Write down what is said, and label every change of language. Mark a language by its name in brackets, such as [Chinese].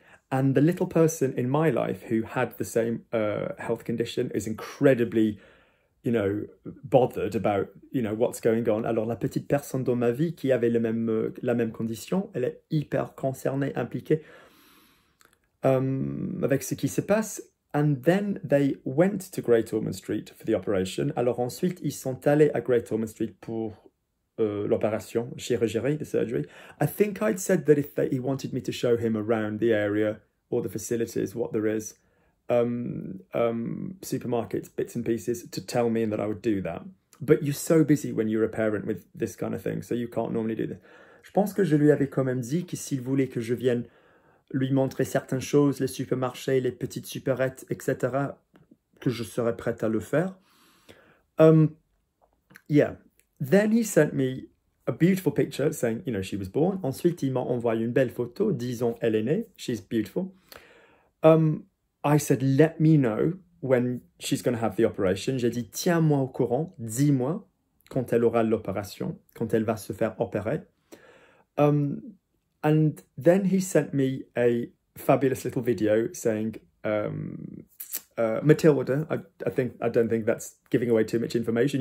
[English] And the little person in my life who had the same health condition is incredibly, you know, bothered about, you know, what's going on. [French] Alors la petite personne dans ma vie qui avait la même condition, elle est hyper concernée, impliquée avec ce qui se passe. [English] And then they went to Great Ormond Street for the operation. [French] Alors ensuite, ils sont allés à Great Ormond Street pour l'opération, chirurgie, [English] the surgery. I think I'd said that if he wanted me to show him around the area, all the facilities, what there is, supermarkets, bits and pieces, to tell me and that I would do that. But you're so busy when you're a parent with this kind of thing, so you can't normally do this. [French] Je pense que je lui avais quand même dit que s'il voulait que je vienne lui montrer certaines choses, les supermarchés, les petites supérettes, etc., que je serais prête à le faire. [English] Yeah. Then he sent me a beautiful picture saying, you know, she was born. [French] Ensuite, il m'a envoyé une belle photo disant, elle est née, [English] she's beautiful. I said, let me know when she's going to have the operation. [French] J'ai dit, tiens-moi au courant, dis-moi quand elle aura l'opération, quand elle va se faire opérer. [English] And then he sent me a fabulous little video saying, Matilda, I don't think that's giving away too much information.